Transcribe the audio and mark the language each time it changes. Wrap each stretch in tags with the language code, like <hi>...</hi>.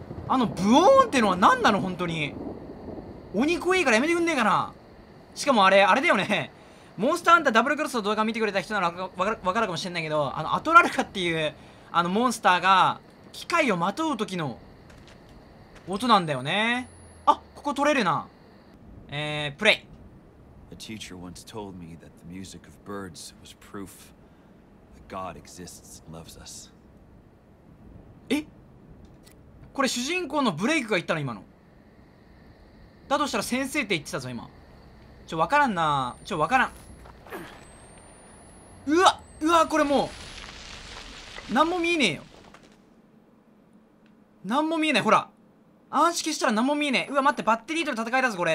<ja>あのブオーンってのは何なの本当に。鬼怖いからやめてくんねえかな。しかもあれあれだよね、モンスターハンターダブルクロスの動画見てくれた人なら分かるかもしれないけど、あのアトラルカっていうあのモンスターが機械をまとう時の音なんだよね。あ、ここ取れるな。プレイ。</ja> <en>A teacher once told me that the music of birds was proof that God exists and loves us. え？</en> <ja>これ主人公のブレイクが言ったの今の。だとしたら先生って言ってたぞ今。ちょ、分からんな。ちょ、分からん。うわっ、うわ、これもう何も見えねえよ、何も見えない。ほら、暗視消したら何も見えねえ。うわ、待って、バッテリーとの戦いだぞこれ。</ja>